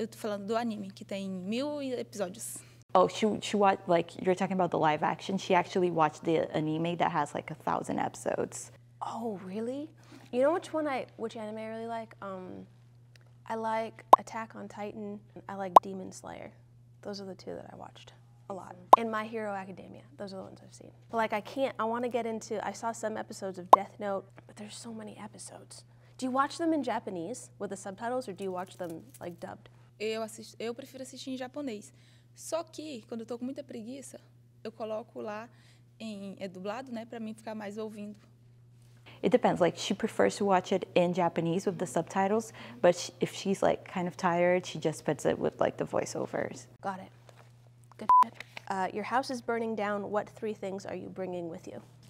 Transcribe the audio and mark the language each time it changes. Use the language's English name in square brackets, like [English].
[Portuguese] Eu tô falando do anime, que tem 1000 episódios. [English] Oh, she watched, like, you're talking about the live action. She actually watched the anime that has, like, 1,000 episodes. Oh, really? You know which anime I really like? I like Attack on Titan. I like Demon Slayer. Those are the two that I watched a lot. And My Hero Academia. Those are the ones I've seen. But, like, I saw some episodes of Death Note, but there's so many episodes. Do you watch them in Japanese with the subtitles or do you watch them like dubbed? [Portuguese] Eu prefiro assistir em japonês. Só que quando eu tô com muita preguiça, eu coloco lá em dublado, né, para mim ficar mais ouvindo. [English] It depends. Like she prefers to watch it in Japanese with the subtitles, but if she's like kind of tired, she just puts it with like the voiceovers. Got it. Good. Your house is burning down. What three things are you bringing with you?